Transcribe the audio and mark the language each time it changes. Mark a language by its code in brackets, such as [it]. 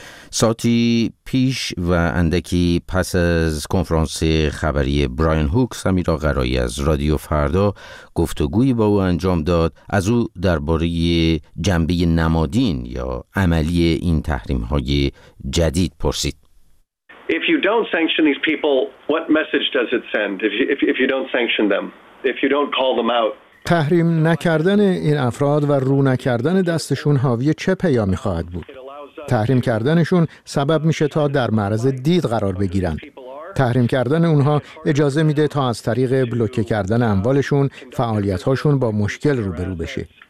[fa] ساعتی پیش و اندکی پس از کنفرانس خبری براین هوک، سمیرا قرایی از رادیو فردا گفتگویی با او انجام داد. از او درباره جنبه نمادین یا عملی این تحریم‌های جدید پرسید. [en] If you don't sanction these people, what message does it send? If you don't sanction them, if you don't call them out. [fa] تحریم نکردن این افراد و رو نکردن دستشون حاوی چه پیامی خواهد بود؟ تحریم کردنشون سبب میشه تا در معرض دید قرار بگیرن. تحریم کردن اونها اجازه میده تا از طریق بلوکه کردن اموالشون فعالیت‌هاشون با مشکل روبرو بشه.